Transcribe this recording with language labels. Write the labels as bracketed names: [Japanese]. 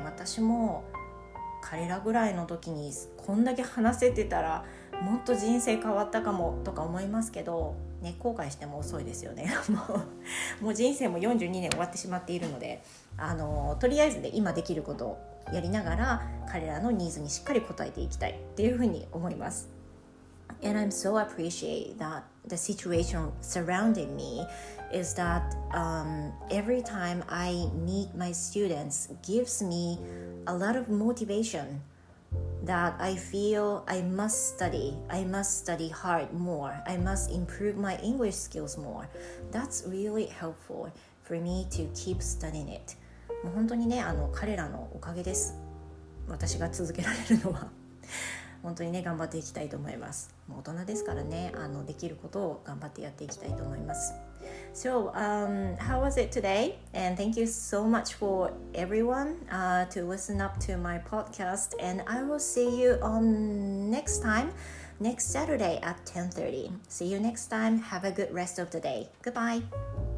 [Japanese] 私も彼らぐらいの時にこんだけ話せてたらもっと人生変わったかもとか思いますけど、ね、後悔しても遅いですよね。もう人生も42年終わってしまっているので、とりあえずね、今できることをやりながら彼らのニーズにしっかり応えていきたいっていうふうに思います。 [English] And I'm so appreciate that the situation surrounding me is that every time I meet my students gives me a lot of motivation that I feel I must study hard more, I must improve my English skills more. That's really helpful for me to keep studying it. [Japanese] もう本当にね、彼らのおかげです。私が続けられるのは。本当にね、頑張っていきたいと思います。もう大人ですからね、できることを頑張ってやっていきたいと思います。 [English] So, how was it today? And thank you so much for everyone to listen up to my podcast. And I will see you on next time, next Saturday at 10:30. See you next time. Have a good rest of the day. Goodbye.